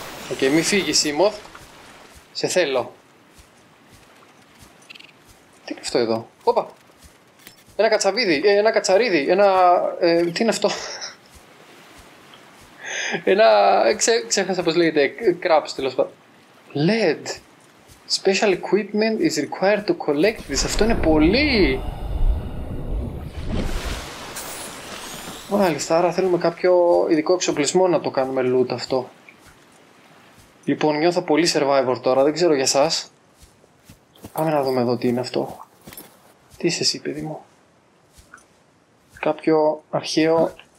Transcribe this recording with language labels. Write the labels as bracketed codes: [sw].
[el] Οκ, μη φύγεις, Σίμωθ. Σε θέλω. Τι είναι αυτό εδώ? Όπα! Ένα κατσαβίδι, ένα κατσαρίδι, ένα... τι είναι αυτό? Ένα... ξέχασα πώς λέγεται, κράπς τέλος πάντων. [en] LED. Special equipment is required to collect this. [el] Αυτό είναι πολύ! Μάλιστα, άρα θέλουμε κάποιο ειδικό εξοπλισμό να το κάνουμε loot αυτό. Λοιπόν, νιώθω πολύ survivor τώρα, δεν ξέρω για σας. Πάμε να δούμε εδώ τι είναι αυτό. Τι είσαι εσύ, παιδί μου? Κάποιο αρχαίο...